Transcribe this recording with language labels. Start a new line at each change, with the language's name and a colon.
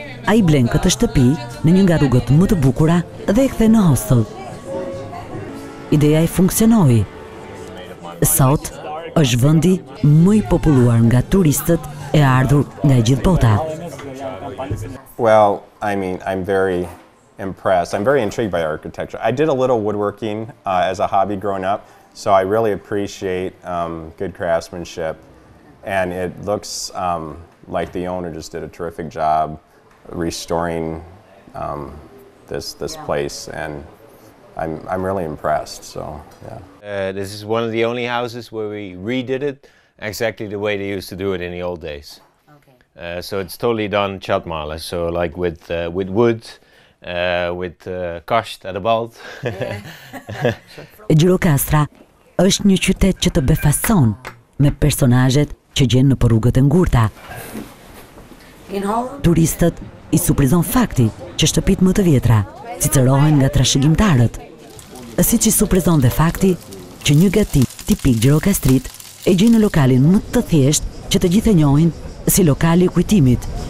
Albanian: Ai blen këtë shtëpi në një nga rrugët më të bukura dhe e kthe në hostel. Ideja i funksionoi. Sot është vendi më i populluar nga turistët e ardhur nga gjithë bota.
English: Well, I mean, I'm very impressed. I'm very intrigued by architecture. I did a little woodworking as a hobby growing up, so I really appreciate good craftsmanship. And it looks like the owner just did a terrific job restoring this place, and I'm really impressed. So yeah, this is one of the only houses where we redid it exactly the way they used to do it in the old days. Okay. So it's totally done çatmale, so like with wood, with kasht at a bolt.
Albanian: Gjirokastra është një qytet që të befason me personazhet që gjenë në përrugët e ngurta. Turistët i surprizon fakti që shtëpit më të vjetra cicërohen nga trashegimtarët, si që i surprizon dhe fakti që një gatim tipik Gjirokastrit e gjenë në lokalin më të thjesht që të gjithë e njohin si lokali i kujtimit.